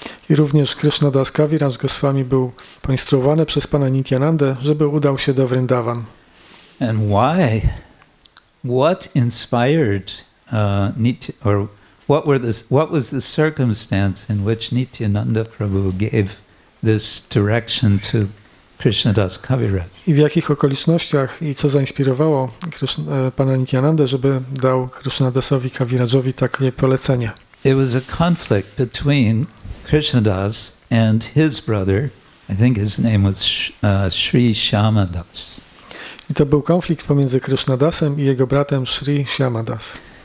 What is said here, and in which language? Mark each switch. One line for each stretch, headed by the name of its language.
Polish: I również Krishnadas Kaviraj Goswami był poinstruowany przez pana Nityanandę, żeby udał się do Vrindavan.
English: And why? What inspired what was the circumstance in which Nityananda Prabhu gave this direction to Krishnadas Kaviraj?
Polish: I w jakich okolicznościach i co zainspirowało pana Nityanandę, żeby dał Krishnadasowi Kavirajowi takie polecenie?
English: It was a conflict between Krishnadas and his brother. I think his name was Sri Shyamadas.
Polish: I to był konflikt pomiędzy Krishnadasem i jego bratem Sri Shyamadas.